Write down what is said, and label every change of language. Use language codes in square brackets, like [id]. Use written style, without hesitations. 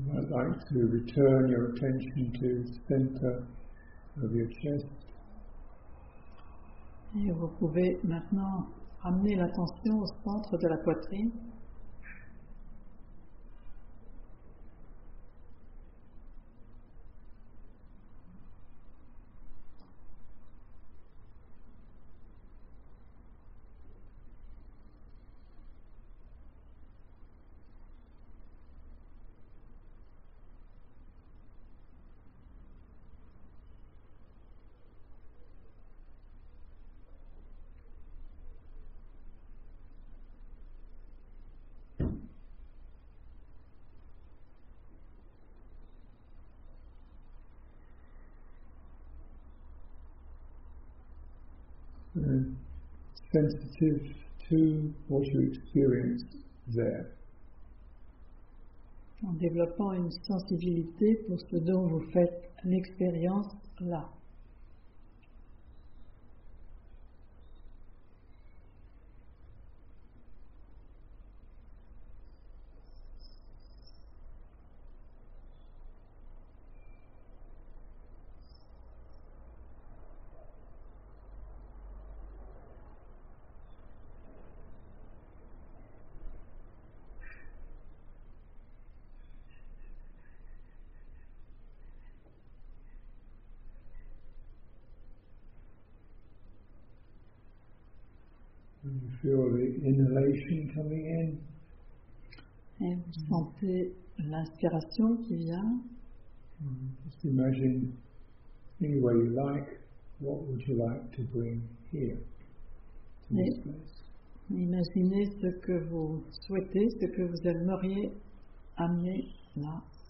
[en] like to return your attention to the center of your chest. [fr] Et vous pouvez maintenant ramener l'attention au centre de la poitrine. [en] Sensitive to what you experience there. [fr] En développant une sensibilité pour ce dont vous faites l'expérience là. [en] Feel the inhalation coming in. [fr] Et vous sentez l'inspiration qui vient. [en] Just imagine anywhere you like, what would you like to bring here to this place? [fr] Imaginez ce que vous souhaitez, ce que vous aimeriez amener là.